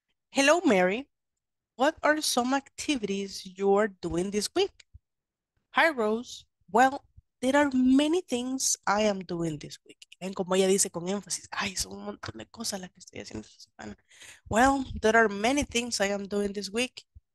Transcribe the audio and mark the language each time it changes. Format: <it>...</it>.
<en>Hello Mary, what are some activities you are doing this week? Hi Rose, well, there are many things I am doing this week.</en> <es>¿Ven como ella dice con énfasis? Ay, son un montón de cosas las que estoy haciendo esta semana.</es> <en>Well, there are many things I am doing this week.</en>